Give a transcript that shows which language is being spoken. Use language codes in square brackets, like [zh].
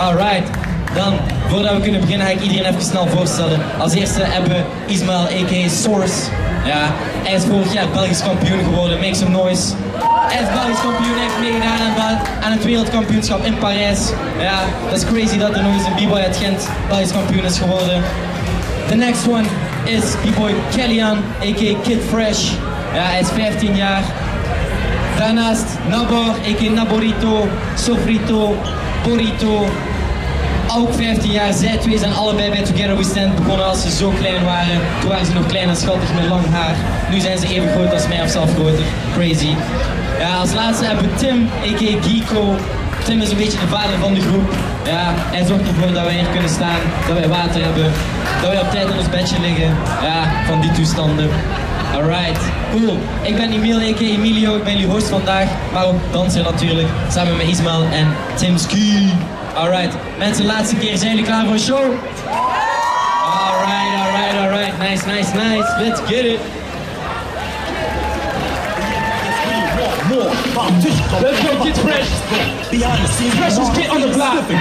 [nl] Alright, dan voordat we kunnen beginnen ga ik iedereen even snel voorstellen. Als eerste hebben we Ismael aka Source. Ja, hij is vorig jaar Belgisch kampioen geworden, [en] make some noise. [nl] Hij is Belgisch kampioen, heeft meegedaan aan het wereldkampioenschap in Parijs. Ja, dat is crazy dat er nog eens een b-boy uit Gent Belgisch kampioen is geworden. [en] The next one is b-boy Kellyan aka Kid Fresh. [nl] Ja, hij is 15 jaar. Daarnaast Nabor, aka Naborito, Sofrito, Borito, ook 15 jaar. Zij twee zijn allebei bij Together We Stand begonnen als ze zo klein waren. Toen waren ze nog klein en schattig met lang haar. Nu zijn ze even groot als mij of zelf groter. Crazy. Ja, als laatste hebben we Tim, aka Geeko. Tim is een beetje de vader van de groep. Ja, hij zorgt ervoor dat wij hier kunnen staan, dat wij water hebben, dat wij op tijd in ons bedje liggen. Ja, van die toestanden. Alright, cool. Ik ben Emil, aka Emilio. Ik ben jullie host vandaag, maar ook danser natuurlijk. Samen met Ismael en Timski. Alright, mensen, laatste keer. Zijn jullie klaar voor een show? [en] Alright, alright, alright. Nice, nice, nice. Let's get it. Let's go, get fresh. Fresh is get on the block.